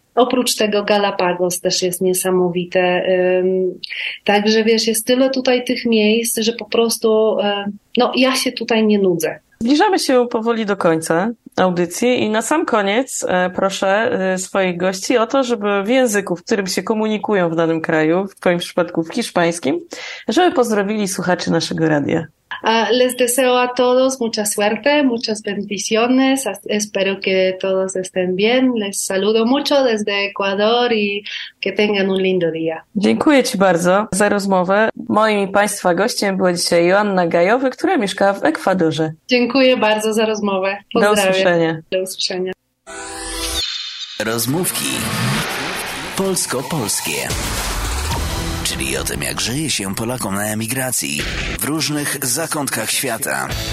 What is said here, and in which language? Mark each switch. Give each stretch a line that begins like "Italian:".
Polish: Oprócz tego Galapagos też jest niesamowite. Także wiesz, jest tyle tutaj tych miejsc, że po prostu no ja się tutaj nie nudzę. Zbliżamy się powoli do końca audycji i na sam koniec proszę swoich gości o to, żeby w języku, w którym się komunikują w danym kraju, w twoim przypadku w hiszpańskim, żeby pozdrowili słuchaczy naszego radia.
Spanish: Les deseo a todos mucha suerte, muchas bendiciones, espero que todos estén bien, les saludo mucho desde Ecuador y que tengan un lindo día.
Polish: Dziękuję ci bardzo za rozmowę. Moim i państwa gościem była dzisiaj Joanna Gajowy, która mieszka w Ekwadorze. Dziękuję bardzo za rozmowę. Pozdrawiam. Do usłyszenia. Do usłyszenia. Rozmówki polsko-polskie. Czyli o tym, jak żyje się Polakom na emigracji w różnych zakątkach świata.